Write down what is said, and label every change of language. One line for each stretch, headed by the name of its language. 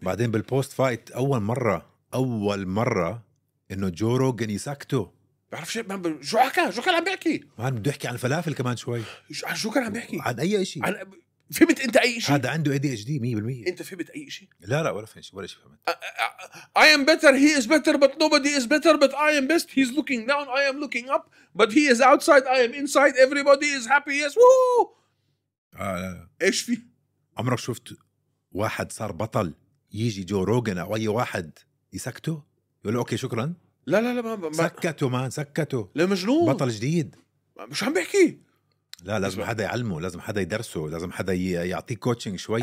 Arabic: بعدين بالبوست فايت أول مرة إنه جو روغن يسكته، بعرف شيء شو حكى، شو كان عم بيحكي. ما بده يحكي عن الفلافل كمان شوي، عن شو كان عم بيحكي، عن أي إشي، عن فهمت انت اي شيء؟ هذا عنده ADHD 100%. انت فهمت اي شيء؟ لا لا ولا فهمت شيء ولا شيء. فهمت
English: I am better, he is better, but nobody is better, but I am best. He's looking down, I am looking up, but he is outside, I am inside, everybody is happy. Yes, woo.
Arabic: لا ايش في؟ عمرك شفت واحد صار بطل يجي جو روغن او اي واحد يسكته يقول اوكي شكرا؟ لا لا لا ما سكته ما سكته لمجنون بطل جديد مش عم بحكي. لا لازم حدا يعلمه، لازم حدا يدرسه، لازم حدا يعطيه كوتشنج شوي.